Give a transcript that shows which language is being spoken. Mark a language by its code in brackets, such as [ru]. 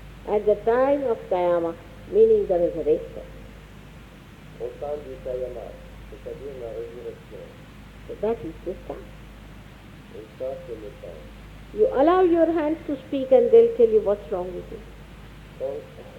[en] At the time of Kayama, meaning the resurrection. [fr] Au temps du Kayama, c'est-à-dire la résurrection. [en] So that is the time. [fr] Et ça, c'est le temps. [en] You allow your hands to speak and they'll tell you what's wrong with you.